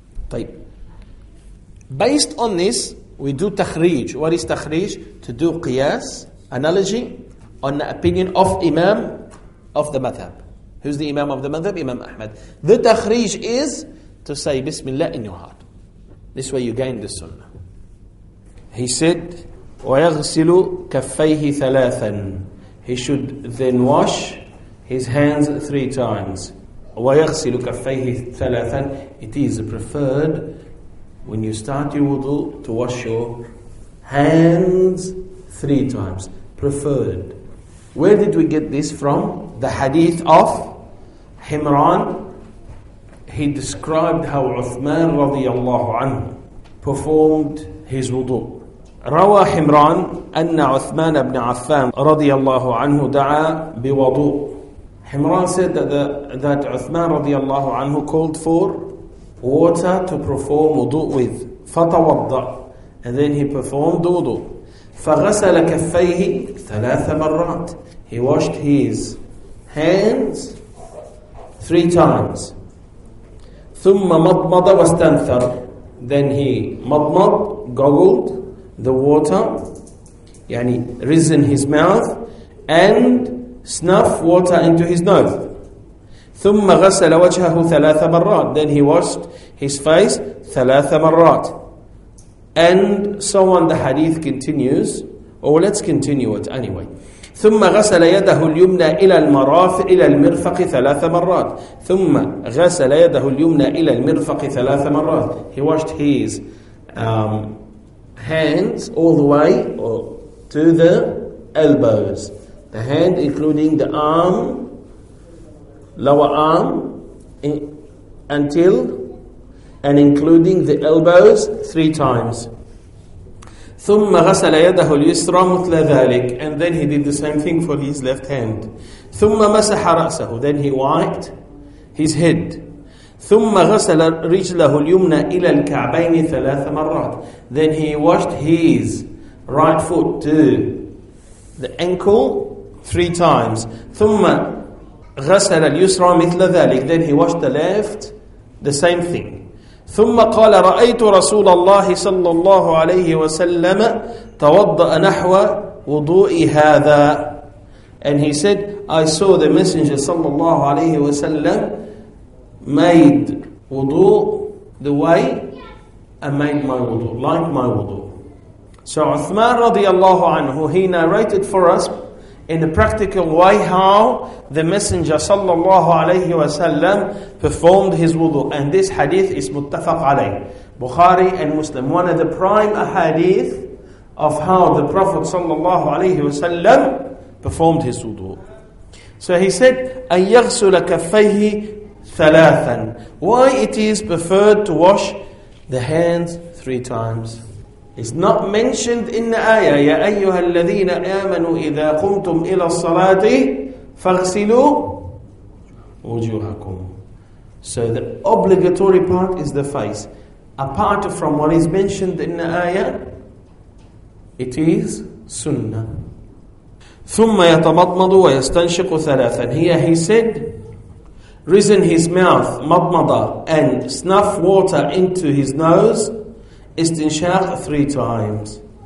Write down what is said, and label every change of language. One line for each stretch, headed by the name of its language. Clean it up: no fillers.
Arabic: طيب.
English: Based on this, we do takhrij. What is takhrij? To do qiyas, analogy, on the opinion of Imam of the Madhab. Who's the Imam of the Madhab? Imam Ahmad. The takhrij is to say bismillah in your heart. This way you gain the sunnah. He said,
Arabic: وَيَغْسِلُ كَفَّيْهِ ثَلَاثًا.
English: He should then wash his hands 3 times.
Arabic: وَيَغْسِلُ كَفَّيْهِ ثَلَاثًا.
English: It is preferred when you start your wudu to wash your hands 3 times. Preferred. Where did we get this from? The hadith of Himran. He described how Uthman radiallahu anhu performed his wudu.
Arabic: روى حمران أن عثمان بن عفان رضي الله عنه دعا بوضوء.
English: حمران said that عثمان
Arabic: رضي الله عنه
English: called for water to perform wudu with.
Arabic: فتوضأ.
English: And then he performed wudu.
Arabic: فغسل كفيه
English: 3 times. He He washed his hands 3 times.
Arabic: ثُمَّ مَطْمَضَ وَاسْتَنْثَرَ.
English: Then he مَطْمَضَ, goggled the water, يعني risen his mouth, and snuffed water into his nose.
Arabic: ثُمَّ غَسَلَ وَجْهَهُ
English: 3 times. Then he washed his face 3 times. And so on, the hadith continues. Or let's continue it anyway.
Arabic: ثُمَّ غَسَلَ يَدَهُ الْيُمْنَى إِلَى الْمَرَافِقِ إِلَى الْمِرْفَقِ
English: 3 times.
Arabic: ثُمَّ غَسَلَ يَدَهُ الْيُمْنَى إِلَى الْمِرْفَقِ
English: 3 times. He washed his hands all the way to the elbows. The hand including the arm, lower arm, until and including the elbows 3 times.
Arabic: ثُمَّ غَسَلَ يَدَهُ الْيُسْرَى مُثْلَ ذَلِكَ.
English: And then he did the same thing for his left hand.
Arabic: ثُمَّ مَسَحَ رَأْسَهُ.
English: Then he wiped his head.
Arabic: ثُمَّ غَسَلَ رِجْلَهُ الْيُمْنَى إِلَى الْكَعْبَيْنِ
English: 3 times. Then he washed his right foot to the ankle 3 times.
Arabic: ثُمَّ غَسَلَ الْيُسْرَى مِثْلَ ذَلِكَ.
English: Then he washed the left the same thing.
Arabic: ثُمَّ قَالَ رَأَيْتُ رَسُولَ اللَّهِ صَلَّى اللَّهُ عَلَيْهِ وَسَلَّمَ تَوَضَّأَ نَحْوَ وُضُوءِ هَذَا.
English: And he said, I saw the Messenger
Arabic: صلى الله عليه وسلم
English: made wudu the way I made my wudu, like my wudu. So Uthman
Arabic: رضي الله عنه,
English: he narrated for us in a practical way how the Messenger sallallahu alayhi wasallam performed his wudu. And this hadith is muttafaq alayh, Bukhari and Muslim, one of the prime hadith of how the Prophet sallallahu alayhi wasallam performed his wudu. So he said,
Arabic: أَن يَغْسُلَ كَفَّيْهِ ثَلَاثًا.
English: Why it is preferred to wash the hands 3 times? It's not mentioned in the ayah,
Arabic: يَا أَيُّهَا الَّذِينَ آمَنُوا إِذَا قُمْتُمْ إِلَى الصَّلَاةِ فَاغْسِلُوا وُجُوهَكُمْ.
English: So the obligatory part is the face. Apart from what is mentioned in the ayah, it is sunnah.
Arabic: ثُمَّ يَتَمَطْمَضُ وَيَسْتَنْشِقُ ثَلَاثًا.
English: Here he said, risen his mouth, مَطْمَضَ, and snuff water into his nose, istinshaq 3 times.